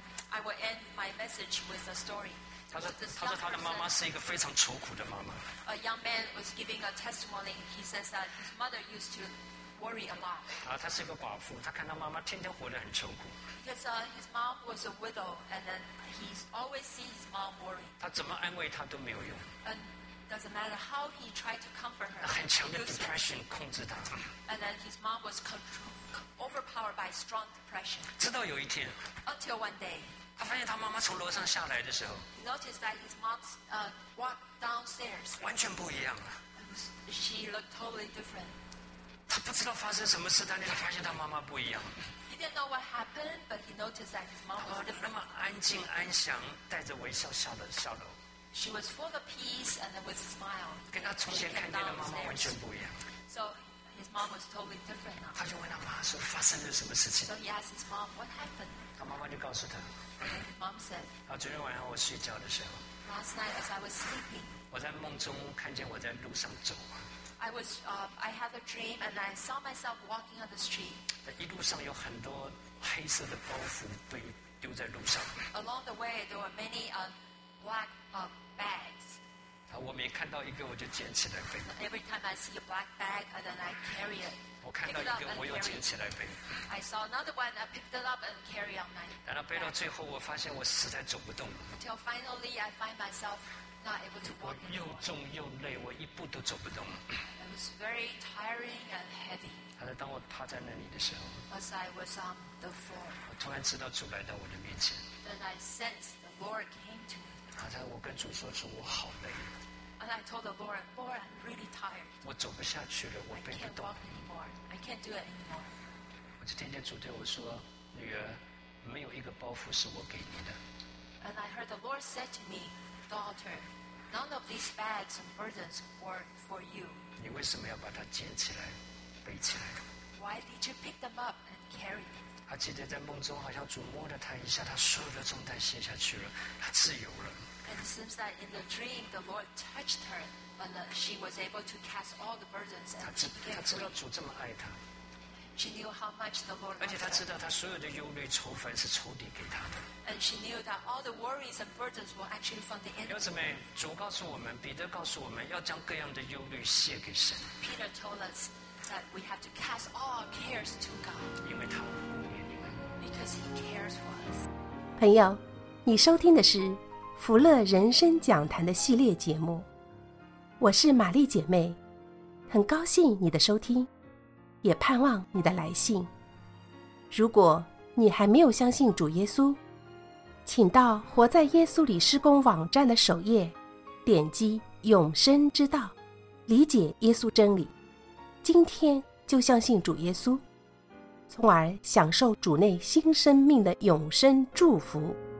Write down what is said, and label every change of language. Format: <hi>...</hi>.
<en>I will end my message with a story.</en> <zh>他说他的妈妈是一个非常愁苦的妈妈。</zh> <en>A young man was giving a testimony. He says that his mother used to.</en> <zh>啊，他是一个寡妇，他看他妈妈天天活得很愁苦。</zh> <en>Because his mom was a widow, and then he's always seen his mom worried.</en> <zh>他怎么安慰他都没有用。</zh> <en>And doesn't matter how he tried to comfort her.</en> <zh>很强的 depression 控制他。</zh> <en>And then his mom was overpowered by strong depression.</en> <zh>直到有一天。</zh> <en>Until one day.</en> <zh>他发现他妈妈从楼上下来的时候。</zh> <en>He noticed that his mom walked downstairs.</en> <zh>完全不一样。</zh> <en>She looked totally different.</en> <zh>他不知道发生什么事，但是他发现他妈妈不一样。</zh> <en>He didn't know what happened, but he noticed that his mom was different.</en> <zh>那么安静安详，带着微笑笑的笑容。</zh> <en>She was full of peace and with a smile.</en> <zh>跟他从前看见的妈妈完全不一样。</zh> <en>So his mom was totally different now.</en> <zh>他就问他妈说：“发生了什么事情？”</zh> <en>So he asked his mom, "What happened?"</en> <zh>他妈妈就告诉他。</zh> <en>His mom said.</en> <zh>啊，昨天晚上我睡觉的时候。</zh> <en>Last night as I was sleeping.</en> <zh>我在梦中看见我在路上走。</zh> <en>I was, I had a dream, and I saw myself walking on the street.</en> <zh>一路上有很多黑色的包袱被丢在路上。</zh> <en>Along the way, there were many black bags.</en> <zh>我每看到一个，我就捡起来背。</zh> <en>Every time I see a black bag, and then I carry it.</en> <zh>我看到一个，我又捡起来背。</zh> <en>I saw another one. I picked it up and carry on my.</en> <zh>然后背到最后，我发现我实在走不动了。</zh> <en>Until finally, I find myself.</en> <zh>我又重又累，我一步都走不动。</zh> <en>It was very tiring and heavy.</en> <zh>他说：“当我趴在那里的时候</zh> <en>，As I was on the floor,</en> <zh>我突然知道主来到我的面前。</zh> <en>Then I sensed the Lord came to me.</en> <zh>他说：我跟主说，我好累。</zh> <en>And I told the Lord, Lord, I'm really tired.</en> <zh>我走不下去了，我背不动。</zh> <en>I can't walk anymore. I can't do it anymore.</en> <zh>我就听见主对我说：女儿，没有一个包袱是我给你的。</zh> <en>And I heard the Lord said to me. Daughter, none of these bags and burdens were for you.</en> <zh>你为什么要把它捡起来，背起来</zh> <en>？Why did you pick them up and carry them?</en> <zh>他记得在梦中好像主摸了他一下，他所有的重担卸下去了，他自由了。</zh> <en>And it seems that in the dream, the Lord touched her, and she was able to cast all the burdens and she became free.</en> <zh>他知道主这么爱她。</zh> <en>She knew how much the Lord loved her.</en> <zh>而且他知道他所有的忧虑愁烦是仇敌给他的。</zh> <en>And she knew that all the worries and burdens were actually from the enemy.</en> <zh>弟兄们，主告诉我们，彼得告诉我们要将各样的忧虑卸给神。</zh> <en>Peter told us that we have to cast all our cares to God.</en> <zh>因为他顾念你们。</zh> <en>Because he cares for us.</en> <zh>朋友，你收听的是福乐人生讲坛的系列节目。我是玛丽姐妹，很高兴你的收听。也盼望你的来信。如果你还没有相信主耶稣，请到活在耶稣里施工网站的首页，点击永生之道，理解耶稣真理，今天就相信主耶稣，从而享受主内新生命的永生祝福。</zh>